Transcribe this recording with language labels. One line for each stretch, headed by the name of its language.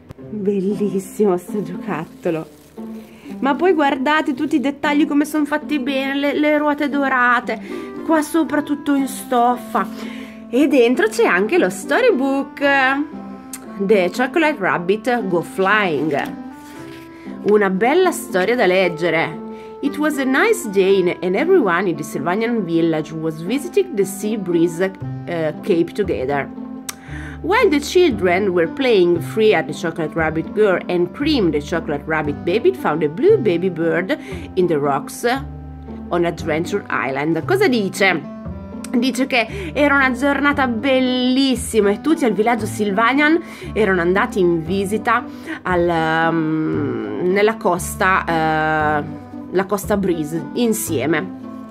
Italian: Bellissimo sto giocattolo. Ma poi guardate tutti i dettagli come sono fatti bene, le ruote dorate, qua sopra tutto in stoffa. E dentro c'è anche lo storybook The Chocolate Rabbit Go Flying. Una bella storia da leggere.
English: It was a nice day and everyone in the Sylvanian village was visiting the sea breeze cape together. While the children were playing, Freya the chocolate rabbit girl and Cream the chocolate rabbit baby found a blue baby bird in the rocks on Adventure Island.
Italian: Cosa dice? Dice che era una giornata bellissima e tutti al villaggio Sylvanian erano andati in visita nella costa, la costa Breeze, insieme.